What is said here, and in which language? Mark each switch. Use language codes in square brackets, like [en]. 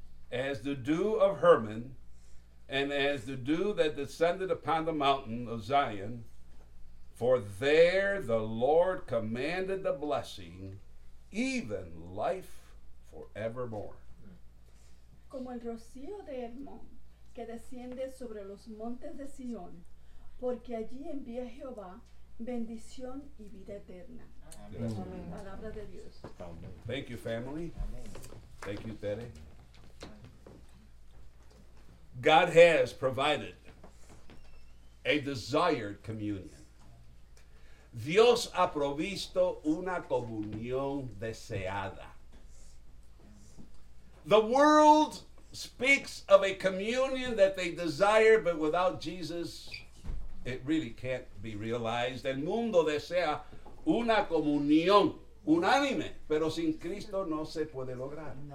[en] As the dew of Hermon, and as the dew that descended upon the mountain of Zion, for there the Lord commanded the blessing, even life forevermore. [es] Como el rocío de Hermón que desciende sobre los montes de Sion, porque allí envía Jehová bendición y vida eterna. Amen. Palabra de Dios. [en] Thank you, family. Amen. Thank you, Teddy. God has provided a desired communion. [es] Dios ha provisto una comunión deseada. [en] The world speaks of a communion that they desire, but without Jesus, it really can't be realized. [es] El mundo desea una comunión unánime, pero sin Cristo no se puede lograr.